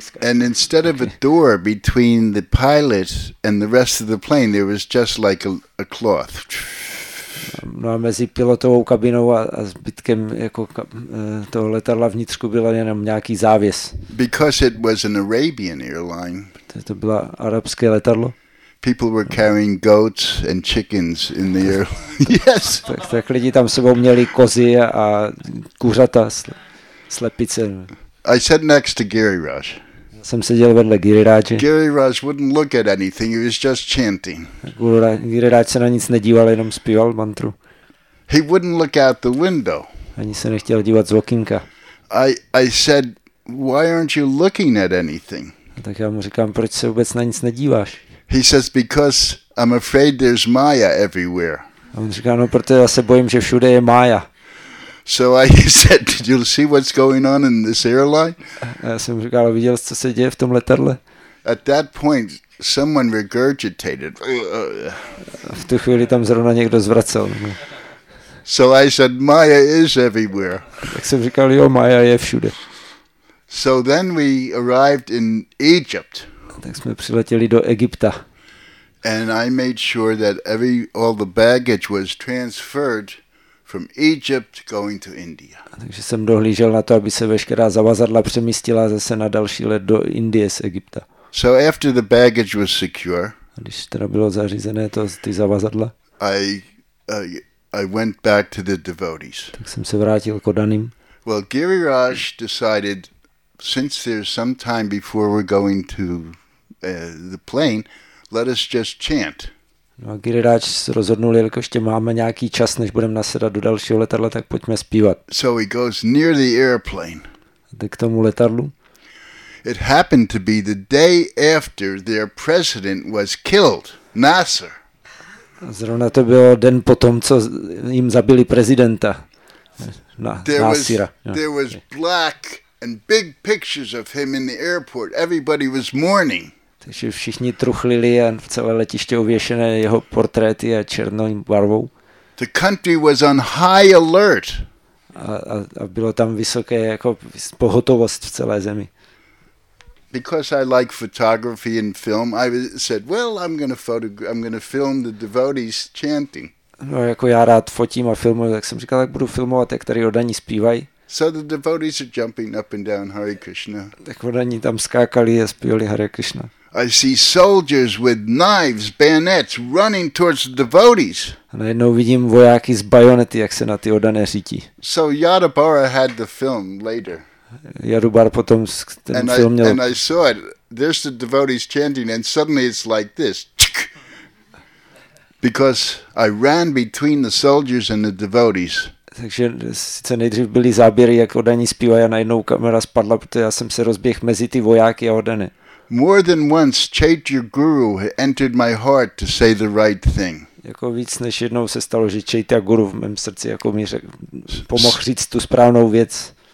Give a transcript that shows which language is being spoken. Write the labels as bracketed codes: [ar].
[en] And instead of a door between the pilot and the rest of the plane, there was just like a cloth. [cs] No a mezi pilotovou kabinou a zbytkem jako toho letadla vnitřku byla jenom nějaký závěs. [en] Because it was an Arabian airline. [cs] To bylo arabské letadlo. [en] People were carrying goats and chickens in the air. Yes. [cs] Tak lidi tam sebou měli kozy a kuřata, slepice. [en] I sat next to Giriraj. [cs] Jsem seděl vedle Giriraje. [en] Giriraj wouldn't look at anything. He was just chanting. [cs] Giriraj se na nic nedíval, jenom zpíval mantru. [en] He wouldn't look out the window. [cs] Ani se nechtěl dívat z okýnka. [en] I said, why aren't you looking at anything? [cs] Tak já mu říkám, proč se vůbec na nic nedíváš? [en] He says, because I'm afraid there's Maya everywhere. [cs] A on říká, no protože já se bojím, že všude je Maya. [en] So I said, did you see what's going on in this airline? [cs] Já jsem říkal, viděl jsi, co se děje v tom letadle? [en] At that point, someone regurgitated. [cs] V tu chvíli tam zrovna někdo zvracel. [en] So I said, Maya is everywhere. [cs] Tak jsem říkal, jo, Maya je všude. [en] So then we arrived in Egypt. [cs] Tak jsme přiletěli do Egypta. [en] And I made sure that all the baggage was transferred from Egypt going to India. [cs] Takže jsem dohlížel na to, aby se veškerá zavazadla přemístila zase na další let do Indie z Egypta. [en] So after the baggage was secure, [cs] když teda bylo zařízené to ty zavazadla, [en] I went back to the devotees. [cs] Tak jsem se vrátil k odaným. [en] Well, Giriraj decided, since there's some time before we're going to the plane, let us just chant. [cs] No a Giriraj se rozhodnul, jelikož tě máme nějaký čas, než budeme nasedat do dalšího letadla, tak pojďme zpívat. [en] So he goes near the airplane. [cs] Jde k tomu letadlu. [en] It happened to be the day after their president was killed, Nasser. [cs] A zrovna to bylo den potom, co jim zabili prezidenta, Nasira. [en] There was black and big pictures of him in the airport. Everybody was mourning. [cs] Takže všichni truchlili a v celé letiště uvěšené jeho portréty a černou barvou. [en] The country was on high alert. [cs] A bylo tam vysoké jako pohotovost v celé zemi. [en] Because I like photography and film, I said, well, I'm going to film the devotees chanting. [cs] No, jako já rád fotím a filmuju, tak jsem říkal, tak budu filmovat, jak tady oddaní zpívají. [en] So the devotees are jumping up and down Hare Krishna. [cs] Tak oddaní tam skákali a zpívali Hare Krishna. [en] I see soldiers with knives, bayonets, running towards the devotees. [cs] A najednou vidím vojáky s bajonety, jak se na ty odané řítí. [en] So Yadubara had the film later. [cs] Yadubara potom ten and film měl. [en] And I saw it. There's the devotees chanting, and suddenly it's like this. Because I ran between the soldiers and the devotees. [cs] Takže sice nejdřív byly záběry, jak odaní zpívají, a najednou kamera spadla, protože já jsem se rozběhl mezi ty vojáky a odany. [en] More than once, Chaitya Guru entered my heart to say the right thing. [cs] Jako víc než jednou se stalo, že Chaitya Guru v mém srdci jako mi pomohl říct tu správnou věc.